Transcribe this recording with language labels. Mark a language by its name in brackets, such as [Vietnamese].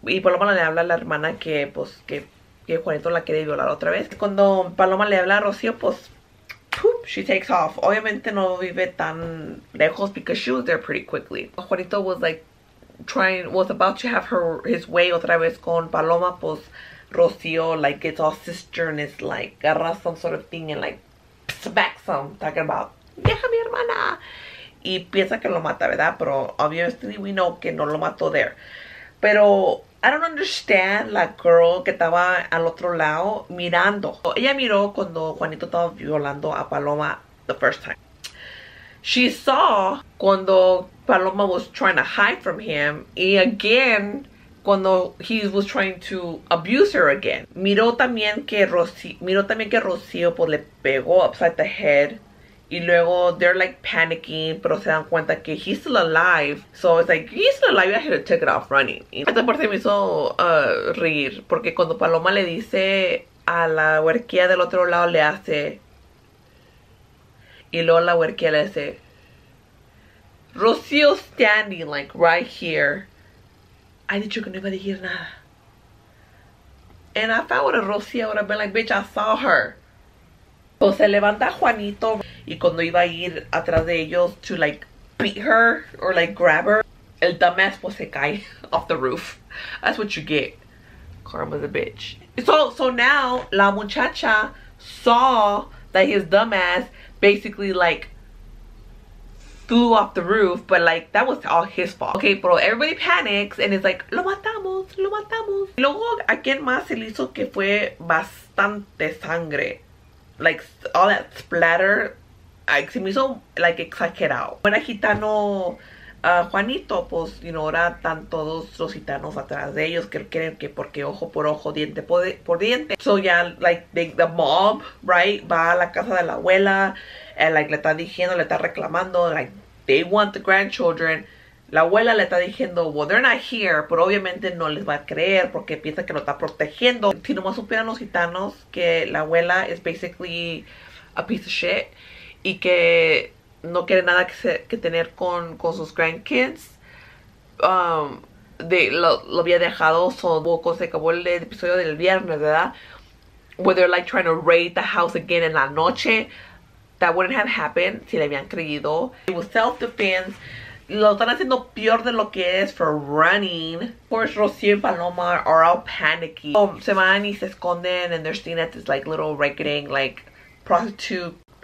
[Spanish] Y Paloma le habla a la hermana que, pues, que Juanito la quiere violar otra vez. Cuando Paloma le habla a Rocío, pues, poof, [English] she takes off. [Spanish] Obviamente no vive tan lejos [English] because she was there pretty quickly. Juanito was, like, was about to have his way [Spanish] otra vez con Paloma, pues, [English] Rocío, like, gets all sister and is, like, agarra some sort of thing and, like, smacks him, talking about, [Spanish] deja mi hermana. Y piensa que lo mata, ¿verdad? Pero [English] obviously we know [Spanish] que no lo mató there. Pero [English] I don't understand [Spanish] la girl que estaba al otro lado mirando. Ella miró cuando Juanito estaba violando a Paloma [English] the first time. She saw cuando Paloma was trying to hide from him. Y again, cuando he was trying to abuse her again. [Spanish] Miró también que Rocío pues, le pegó [English] upside the head. [Spanish] Y luego, [English] they're like panicking, [Spanish] pero se dan cuenta que [English] he's still alive. So, it's like, he's still alive, I should have took it off running. [Spanish] Y esta parte me hizo reír, porque cuando Paloma le dice a la huerquía del otro lado, le hace... Y luego la huerquía le dice... Rocío [English] standing, like, right here. [Spanish] I dicho que no iba a decir nada. [English] And if I would have Rocío, I would have been like, bitch, I saw her. [Spanish] Pues se levanta Juanito y cuando iba a ir atrás de ellos [English] to like beat her or like grab her, el dumbass [Spanish] pues se cae [English] off the roof. That's what you get. Karma's a bitch. So now [Spanish] la muchacha [English] saw that his dumbass basically like flew off the roof, but like that was all his fault. Okay, pero everybody panics and it's like, [Spanish] lo matamos. Y luego a quien más se le hizo que fue bastante sangre. [English] Like, all that splatter, like, [Spanish] se me hizo, [English] like, exagerado. [Spanish] Era gitano Juanito, pues, [English] you know, [Spanish] ahora están todos los gitanos atrás de ellos, que creen que porque ojo por ojo, diente por diente. [English] So, ya, yeah, like, the mob, right, [Spanish] va a la casa de la abuela, and, like, le está diciendo, le está reclamando, like, [English] they want the grandchildren. [Spanish] La abuela le está diciendo, [English] well, they're not here, [Spanish] pero obviamente no les va a creer porque piensa que lo está protegiendo. Si nomás supieran los gitanos que la abuela es [English] basically a piece of shit [Spanish] y que no quiere nada que tener con sus grandkids, lo había dejado, se acabó el episodio del viernes, ¿verdad? [English] Where they're like trying to raid the house again [Spanish] en la noche. [English] That wouldn't have happened [Spanish] si le habían creído. [English] It was self-defense. [Spanish] Lo están haciendo peor de lo que es [English] for running. Of course, Rocío y Paloma are all panicky. So, [Spanish] se van y se esconden [English] and they're seen at this like little rickety, like prostitute